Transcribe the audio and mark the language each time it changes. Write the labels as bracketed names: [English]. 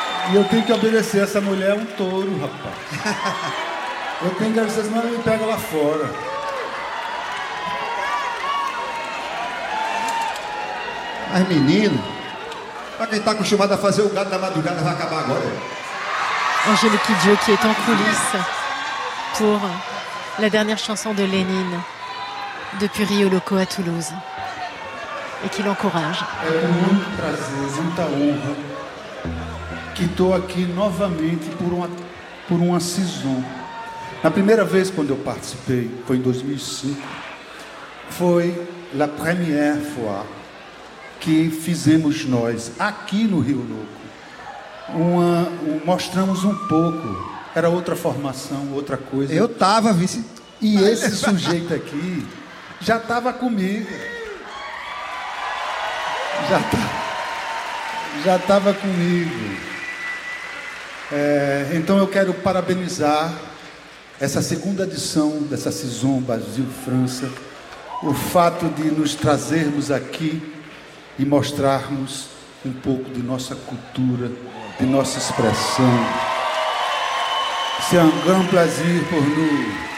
[Portuguese] E eu tenho que obedecer, essa mulher é um touro, rapaz. Eu tenho que obedecer, senão ela me pega lá fora. Mas menino, pra quem tá acostumado a fazer o gado da madrugada, vai acabar agora. [French] Angélique Dieu qui est en coulisses pour la dernière chanson de Lénine depuis Rio Loco à Toulouse. Et qui l'encourage. [Portuguese] É muito prazer, muita honra que estou aqui novamente por uma season. Na primeira vez quando eu participei, foi em 2005, foi [French] la première fois que [Portuguese] fizemos nós aqui no Rio Loco. Mostramos um pouco, era outra formação, outra coisa. Eu tava, vice. E esse sujeito aqui já tava comigo. Já estava comigo. É, então eu quero parabenizar essa segunda edição dessa Sison Brasil-França, o fato de nos trazermos aqui e mostrarmos um pouco de nossa cultura, de nossa expressão. [French] C'est un grand plaisir pour nous.